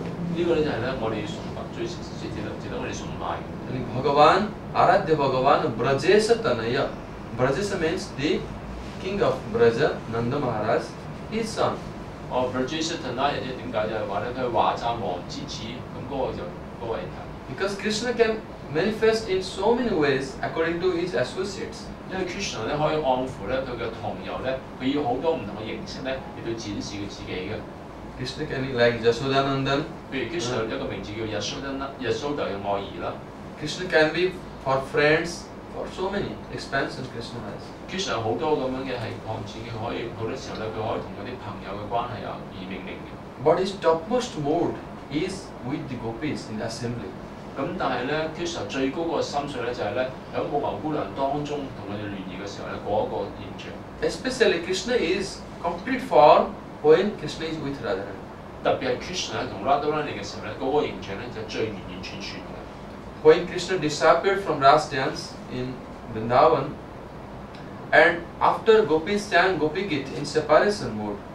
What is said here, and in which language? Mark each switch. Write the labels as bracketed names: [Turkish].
[Cantonese] 呢個咧就係咧，我哋崇拜最值得我哋崇拜嘅。 [Sanskrit] Bhagavan, Aradhya Bhagavan, Brajesa Tanaya. [English] Brajesa means the king of Braja, Nanda Maharaj, his son. [Cantonese] 哦 ，Brajesa Tanaya 即係點解？就係話咧，佢華扎王之子咁嗰個就嗰位。 [English] Because Krishna can manifest in so many ways according to his associates. [Cantonese] 因為 Krishna 咧可以按乎咧佢嘅同僚咧，佢以好多唔同嘅形式咧嚟到展示佢自己嘅。 [English] Krishna can be like Yashoda Nandan. [Cantonese] 譬如 Krishna 一個名字叫 Yashoda 嘅愛兒啦。 [English] Krishna can be for friends for so many expansions Krishna has. [Cantonese] Krishna 好多咁樣嘅係擴展，佢可以好多時候咧，佢可以同嗰啲朋友嘅關係啊而命名嘅。 [English] But his topmost mood is with the gopis in the assembly. [Cantonese] 咁但係咧 ，Krishna 最高個心水咧，就係咧喺牧牛姑娘當中同佢哋聯誼嘅時候咧，嗰一個現象。 [English] Especially Krishna is complete form when Krishna is with Radha. [Cantonese] 特別係 Krishna 同 Radha 嚟嘅時候咧，嗰個現象咧就最完完全全嘅。 [English] When Krishna disappeared from Rasa dance in Vrindavan, and after gopis sang gopi git in separation mode.